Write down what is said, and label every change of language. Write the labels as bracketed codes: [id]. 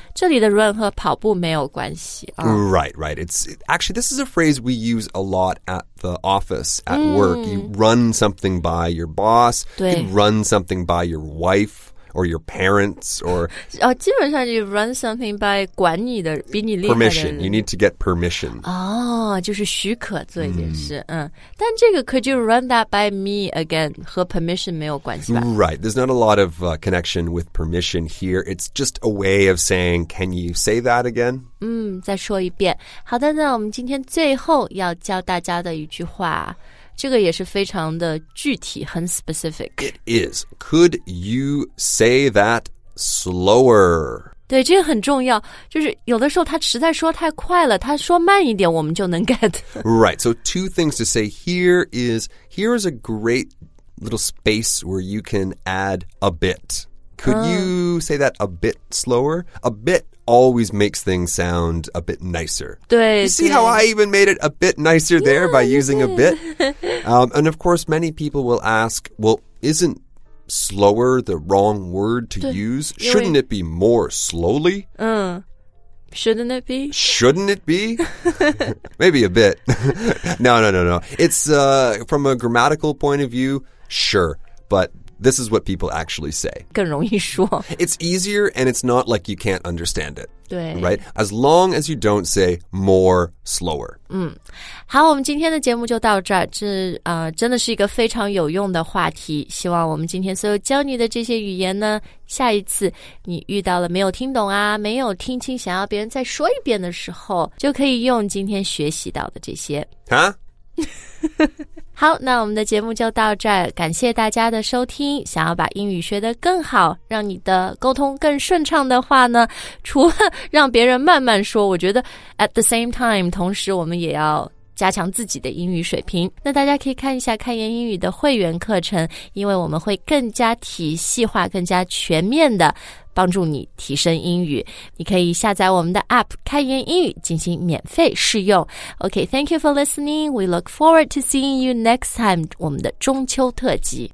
[zh] 这里的 run 和跑步没有关系。 [en] Right, right. Actually, this is a phrase we use a lot at the office, at work. You run something by your boss. [zh] 对。 [en] You run something by your wife. Or your parents, or... [zh] Oh, 基本上 [en] you run something by [zh] 管你的比你厉害的人 [en] Permission, you need to get permission. [zh] Oh, 就是许可做一件事。 Mm. 但这个 [en] could you run that by me again, [zh] 和 permission 没有关系吧 [en] Right, there's not a lot of connection with permission here. It's just a way of saying, can you say that again? [zh] 再说一遍。好的，那我们今天最后要教大家的一句话这个也是非常的具体，很 specific. [en] It is. Could you say that slower? [zh] 对，这个很重要。就是有的时候他实在说太快了，他说慢一点，我们就能 get. [en] Right. So two things to say here is, here is a great little space where you can add a bit. Could you say that a bit slower? A bit. Always makes things sound a bit nicer. [zh] 对 [en] You see [zh] 对 [en] how I even made it a bit nicer there yeah, by using yeah. a bit? And of course, many people will ask, well, isn't slower the wrong word to use? Shouldn't it be more slowly? Shouldn't it be? Shouldn't it be? Maybe a bit. No. It's from a grammatical point of view, sure, but... This is what people actually say. [zh] 更容易说。 [en] It's easier and it's not like you can't understand it. [zh] 对。 [en] Right? As long as you don't say more slower. [zh] 好，我们今天的节目就到这儿。这真的是一个非常有用的话题。希望我们今天所有教你的这些语言呢，下一次你遇到了没有听懂啊，没有听清，想要别人再说一遍的时候，就可以用今天学习到的这些。啊好，那我们的节目就到这儿，感谢大家的收听。想要把英语学得更好，让你的沟通更顺畅的话呢，除了让别人慢慢说，我觉得 [en] at the same time， [zh] 同时我们也要加强自己的英语水平。那大家可以看一下开言英语的会员课程，因为我们会更加体系化，更加全面的帮助你提升英语。你可以下载我们的 APP 开言英语进行免费试用。 [en] OK, thank you for listening. We look forward to seeing you next time, [zh] 我们的中秋特辑。